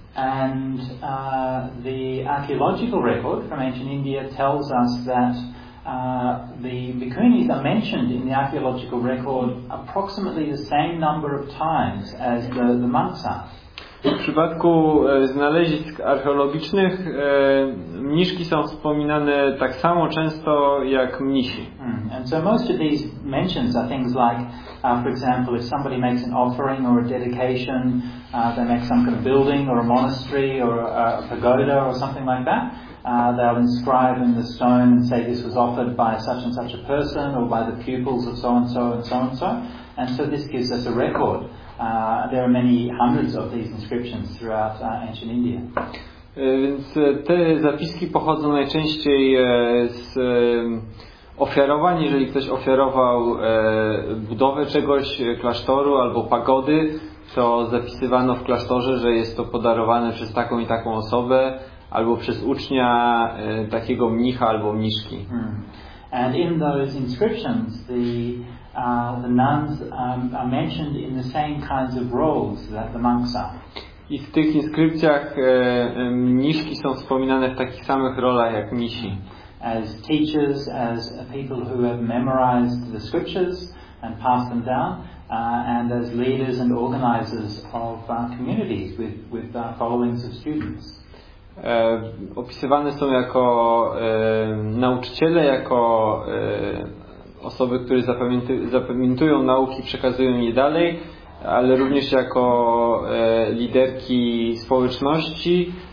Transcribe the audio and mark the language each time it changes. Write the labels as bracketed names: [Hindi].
[English] And the archaeological record from ancient India tells us that the Bhikkhunis are mentioned in the archaeological record approximately the same number of times as the monks are. [Polish] W przypadku znalezisk archeologicznych mniszki są wspominane tak samo często jak mnisi. [English] And so most of these mentions are things like, for example, if somebody makes an offering or a dedication, they make some kind of building or a monastery or a pagoda or something like that, they'll inscribe in the stone and say this was offered by such and such a person or by the pupils of so and so and so and so. And so this gives us a record. There are many hundreds of these inscriptions throughout ancient India. [Polish] Więc te zapiski pochodzą najczęściej z ofiarowań, jeżeli ktoś ofiarował budowę czegoś, klasztoru albo pagody, to zapisywano w klasztorze, że jest to podarowane przez taką i taką osobę albo przez ucznia takiego mnicha albo mniszki. [English] And in those inscriptions the nuns are mentioned in the same kinds of roles that the monks are. [Polish] I w tych inskrypcjach mniszki są wspominane w takich samych rolach jak mnisi. [English] As teachers, as people who have memorized the scriptures and passed them down, and as leaders and organizers of communities with followings of students. [Polish] Opisywane są jako nauczyciele, jako osoby, które zapamiętują nauki, przekazują je dalej, ale również jako liderki społeczności.